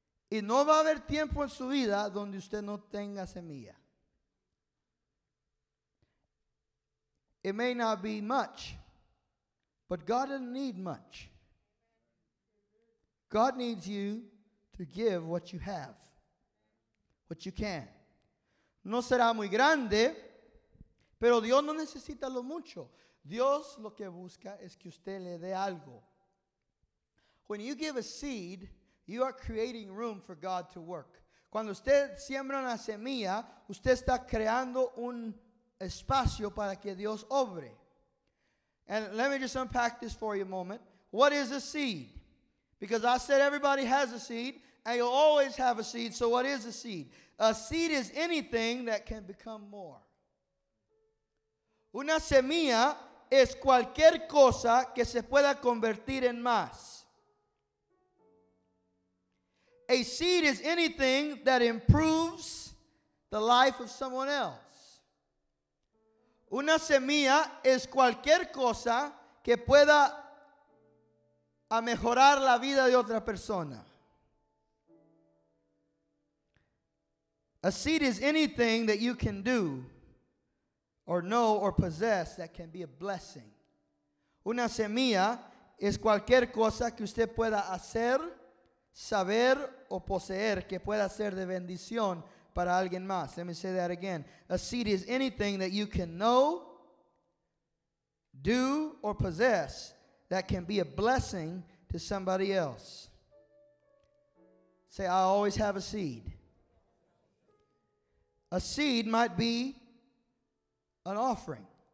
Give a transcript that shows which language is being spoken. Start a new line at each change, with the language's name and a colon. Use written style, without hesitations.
Spanish: Y no va a haber tiempo en su vida donde usted no tenga semilla.
English: It may not be much, but God doesn't need much. God needs you to give what you have, what you can.
Spanish: No será muy grande, pero Dios no necesita lo mucho. Dios lo que busca es que usted le dé algo.
English: When you give a seed, you are creating room for God to work.
Spanish: Cuando usted siembra una semilla, usted está creando un espacio para que Dios obre.
English: And let me just unpack this for you a moment. What is a seed? Because I said everybody has a seed, and you'll always have a seed. So what is a seed? A seed is anything that can become more.
Spanish: Una semilla es cualquier cosa que se pueda convertir en más.
English: A seed is anything that improves the life of someone else.
Spanish: Una semilla es cualquier cosa que pueda a mejorar la vida de otra persona.
English: A seed is anything that you can do or know or possess that can be a blessing.
Spanish: Una semilla es cualquier cosa que usted pueda hacer, saber o poseer que pueda ser de bendición para alguien más.
English: Let me say that again. A seed is anything that you can know, do, or possess that can be a blessing to somebody else. Say, I always have a seed. A seed might be an offering.